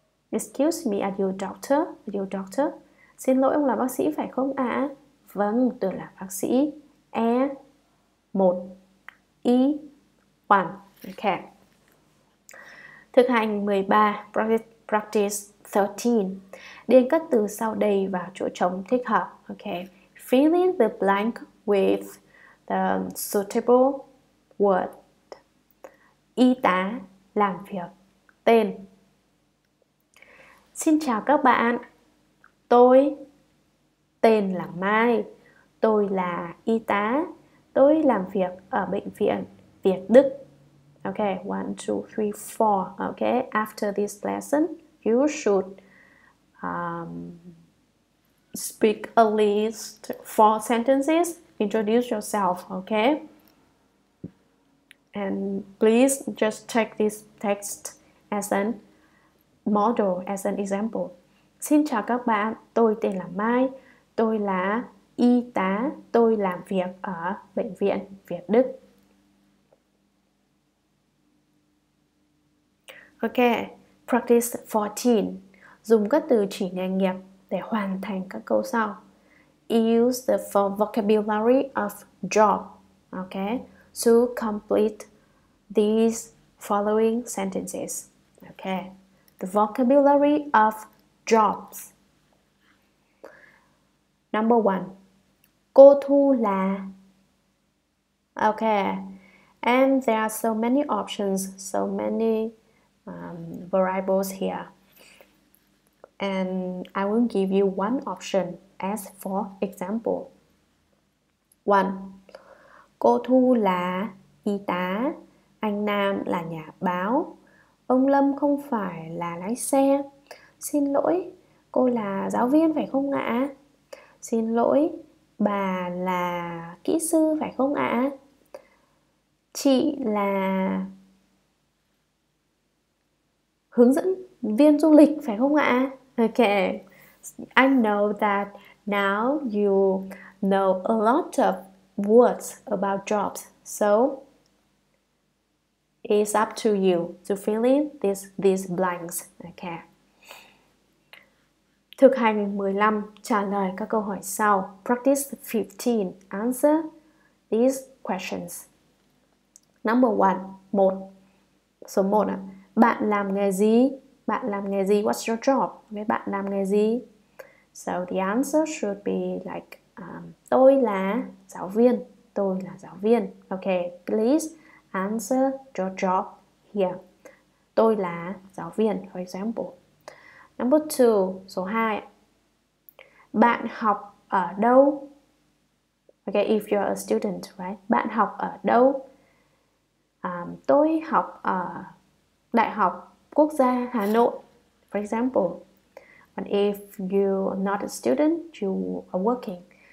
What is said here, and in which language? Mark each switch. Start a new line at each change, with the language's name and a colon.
English: Excuse me, are you a doctor? Are you a doctor?
Vietnamese: Xin lỗi, ông là bác sĩ phải không ạ? Vâng, tôi là bác sĩ. E, 1. E, 1. Okay. Thực hành 13,
English: practice 13.
Vietnamese: Điền các từ sau đây vào chỗ trống thích hợp.
English: Okay. Fill in the blank with the suitable word.
Vietnamese: Y tá làm việc. Tên. Xin chào các bạn. Tôi tên là Mai. Tôi là y tá. Tôi làm việc ở bệnh viện Việt Đức.
English: Okay, 1, 2, 3, 4. Okay, after this lesson, you should speak at least 4 sentences. Introduce yourself. Okay, and please just take this text as an model, as an example.
Vietnamese: Xin chào các bạn. Tôi tên là Mai. Tôi là y tá. Tôi làm việc ở bệnh viện Việt Đức. Okay,
English: Practice 14.
Vietnamese: Dùng các từ chỉ nghề nghiệp để hoàn thành các câu sau.
English: Use the vocabulary of job, okay, to complete these following sentences. Okay. The vocabulary of jobs. Number one.
Vietnamese: Cô Thu là.
English: Okay. And there are so many options, so many variables here. And I will give you one option as for example.
Vietnamese: One. Cô Thu là y tá. Anh Nam là nhà báo. Ông Lâm không phải là lái xe. Xin lỗi, cô là giáo viên phải không ạ? Xin lỗi, bà là kỹ sư phải không ạ? Chị là hướng dẫn viên du lịch phải không ạ?
English: Okay, I know that now you know a lot of words about jobs. So it's up to you to fill in these blanks. Okay.
Vietnamese: Thực hành 15. Trả lời các câu hỏi sau.
English: Practice 15. Answer these questions. Number 1.
Vietnamese: Số 1. Bạn làm nghề gì? Bạn làm nghề gì?
English: What's your job?
Vietnamese: Với bạn làm nghề gì?
English: So the answer should be like
Vietnamese: tôi là giáo viên.
English: Tôi là giáo viên. Okay, please answer your job here.
Vietnamese: Tôi là giáo viên,
English: for example. Number 2,
Vietnamese: số 2. Bạn học ở đâu?
English: Okay, if you're a student, right?
Vietnamese: Bạn học ở đâu? Tôi học ở Đại học Quốc gia Hà Nội,
English: for example. And if you're not a student, you are working.